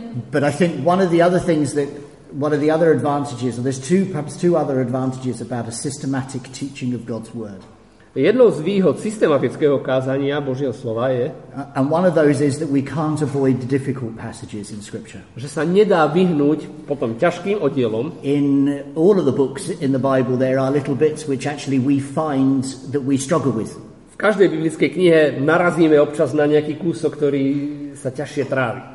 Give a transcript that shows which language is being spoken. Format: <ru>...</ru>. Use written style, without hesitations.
<en>But I think one of the other things that one of the other advantages, or there's two, perhaps two other advantages about a systematic teaching of God's word.</en> <sk>Jednou z výhod systematického kázania Božieho slova je,</sk> <en>and one of those is that we can't avoid the difficult passages in scripture.</en> <sk>Že sa nedá vyhnúť potom ťažkým oddielom.</sk> <en>In all of the books in the Bible there are little bits which actually we find that we struggle with.</en> <sk>V každej biblickej knihe narazíme občas na nejaký kúsok, ktorý sa ťažšie trávi.</sk>